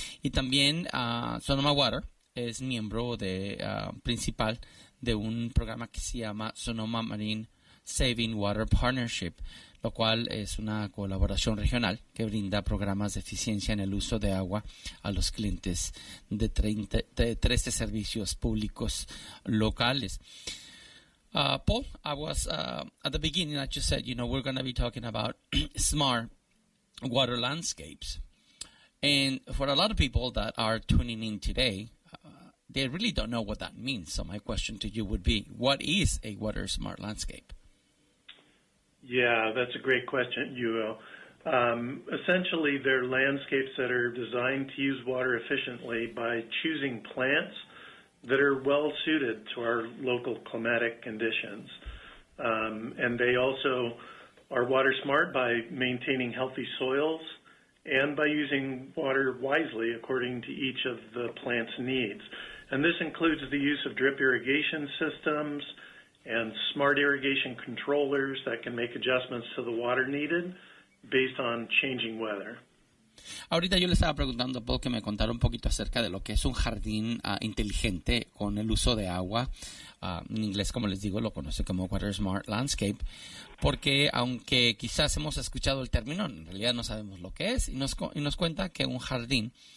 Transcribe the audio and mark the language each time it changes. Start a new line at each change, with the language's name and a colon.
Spanish: Y también Sonoma Water es miembro principal de un programa que se llama Sonoma Marine Saving Water Partnership, lo cual es una colaboración regional que brinda programas de eficiencia en el uso de agua a los clientes de 13 servicios públicos locales.
English: Paul, I was at the beginning, I just said, you know, we're going to be talking about smart water landscapes. And for a lot of people that are tuning in today, they really don't know what that means. So my question to you would be, what is a water smart landscape? Yeah, that's a great question, Hugo. Essentially, they're landscapes that are designed to use water efficiently by choosing plants that are well-suited to our local climatic conditions. And they also are water smart by maintaining healthy soils and by using water wisely according to each of the plant's needs. And this includes the use of drip irrigation systems and smart irrigation controllers that can make adjustments to the water needed based on changing weather.
Spanish: Ahorita yo le estaba preguntando a Paul que me contara un poquito acerca de lo que es un jardín inteligente con el uso de agua. En inglés, como les digo, lo conoce como Water Smart Landscape, porque aunque quizás hemos escuchado el término, en realidad no sabemos lo que es, y nos cuenta que un jardín